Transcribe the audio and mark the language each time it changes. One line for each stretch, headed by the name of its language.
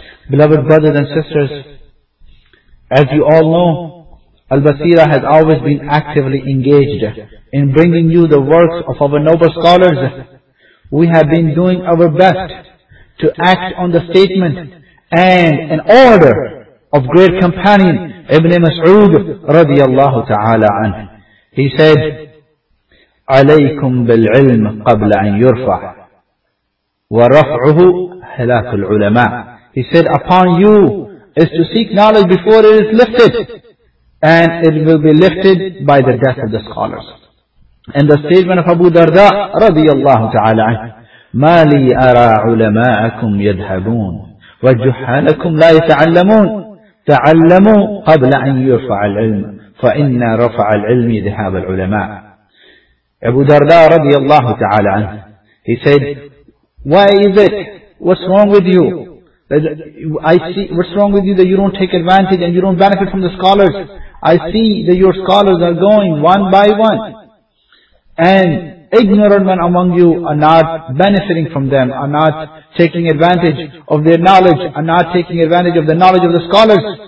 English: Beloved brothers and sisters, as you all know, Al-Basira has always been actively engaged in bringing you the works of our noble scholars. We have been doing our best to act on the statement and an order of great companion Ibn Mas'ud radiyallahu ta'ala anhu. He said,
Arabic: عليكم بالعلم قبل أن يرفع ورفعه هلاك العلماء.
English: He said, upon you is to seek knowledge before it is lifted, and it will be lifted by the death of the scholars. And the statement of Abu Darda
Arabic: رضي الله تعالى عنه, ما لي أرى علماءكم يذهبون وجحالكم لا يتعلمون تعلموا قبل أن يرفع العلم فإن رفع العلم ذهاب العلماء.
English: Abu Darda radiyallahu ta'ala anhu, he said, why is it, what's wrong with you? I see, what's wrong with you that you don't take advantage and you don't benefit from the scholars? I see that your scholars are going one by one, and ignorant men among you are not benefiting from them, are not taking advantage of their knowledge, are not taking advantage of the knowledge of the scholars.